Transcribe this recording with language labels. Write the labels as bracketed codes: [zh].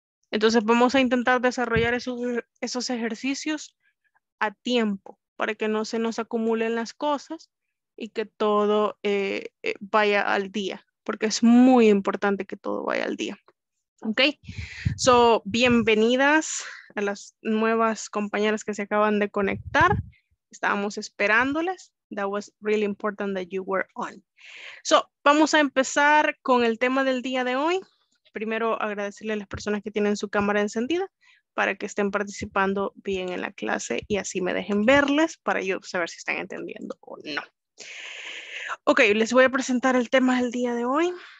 [es] Entonces vamos a intentar desarrollar esos ejercicios a tiempo para que no se nos acumulen las cosas y que todo vaya al día, porque es muy importante que todo vaya al día. ¿Ok? So, bienvenidas a las nuevas compañeras que se acaban de conectar. Estábamos esperándoles. [en] That was really important that you were on. [es] So, vamos a empezar con el tema del día de hoy. Primero, agradecerle a las personas que tienen su cámara encendida para que estén participando bien en la clase y así me dejen verles para yo saber si están entendiendo o no. Ok, les voy a presentar el tema del día de hoy.